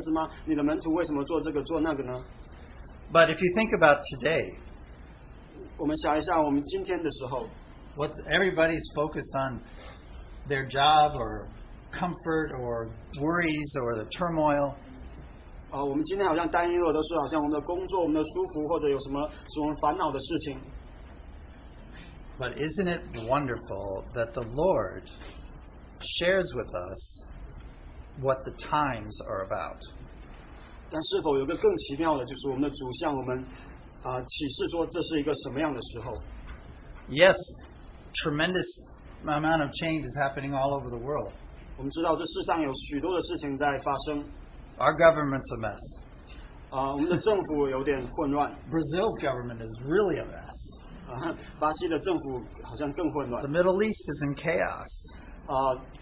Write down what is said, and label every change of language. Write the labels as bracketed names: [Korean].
[Chinese] 但是当时那些群众却都是在想一些，哦，这是基督吗？这是神的儿子吗？你的门徒为什么做这个做那个呢？ [English] But if you think about today, [Chinese] 我们想一下我们今天的时候, [English] what everybody's focused on, their job, or comfort, or worries, or the turmoil. [Chinese] 我们今天好像担忧的是好像我们的工作，我们的舒服，或者有什么烦恼的事情。 [English] But isn't it wonderful that the Lord shares with us what the times are about? [Chinese] 但是否有个更奇妙的，就是我们的主向我们启示说这是一个什么样的时候。 [English] Yes, tremendous amount of change is happening all over the world. Our government's a mess. Brazil's government is really a mess. The Middle East is in chaos.